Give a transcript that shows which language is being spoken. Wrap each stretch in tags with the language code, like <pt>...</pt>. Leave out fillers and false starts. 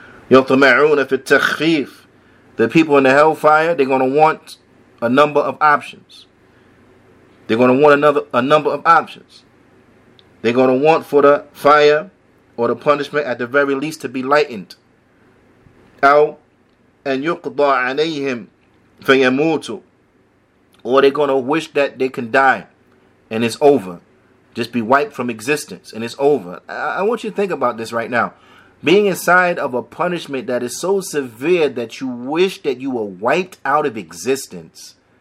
<ar>يَطْمَعُونَ فِي التَّخْفِيفِ.</ar> <en>The people in the hellfire, they're going to want a number of options. They're going to want a number of options. They're going to want for the fire or the punishment at the very least to be lightened.</en> <ar>أو أن يقضى عليهم فيموتوا.</ar> <en>Or they're going to wish that they can die and it's over. Just be wiped from existence and it's over. I want you to think about this right now. Being inside of a punishment that is so severe that you wish that you were wiped out of existence.</en>